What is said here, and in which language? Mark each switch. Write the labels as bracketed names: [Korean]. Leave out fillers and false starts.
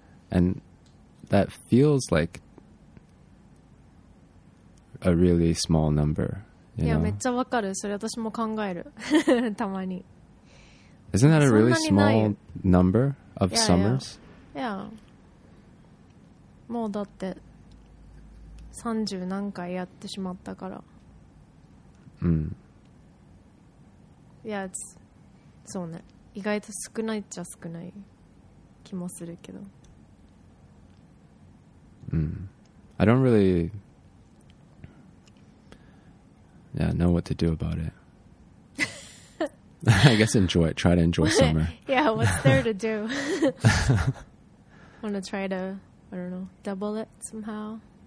[English] And that feels like a really small number. [Japanese] Yeah, めっちゃわかる。それ私も考える。たまに。 [English] Isn't that a really small number of summers? Yeah. [Japanese] もうだって30何回やってしまったから。うん、いや、そうね、意外と少ないっちゃ少ない気もするけど、 [English] うん、I don't really yeah, know what to do about it. I guess enjoy it. Try to enjoy summer. Yeah, what's there to do? Want to try to, I don't know, double it somehow?